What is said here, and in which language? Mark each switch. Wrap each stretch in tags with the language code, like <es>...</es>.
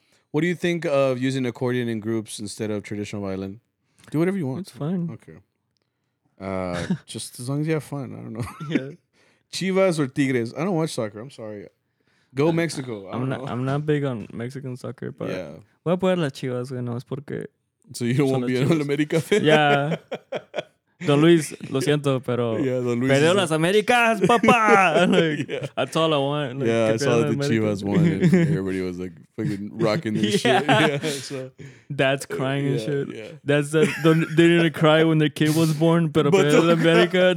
<en>What do you think of using accordion in groups instead of traditional violin? Do whatever you want. It's fine. Okay. just as long as you have fun. I don't know. Yeah. Chivas or Tigres? I don't watch soccer. I'm sorry. Go Mexico. I'm not big on Mexican soccer, but yeah.</en> <es>Voy a poner las Chivas, güey, no es porque.</es> <en>So you don't want to be an All America fan? Yeah.</en> <es>Don Luis, lo siento, pero.</es> <en>Yeah, Don Luis.</en> <es>Perdió las Américas, papá.</es> <en>Like, yeah. That's all I want. Like, yeah, I saw that the Chivas won. And everybody was like fucking rocking this shit. Yeah, so. Dad's crying and shit. Yeah. Dad's they didn't cry when their kid was born,</en> <es>pero perdió las Américas.</es>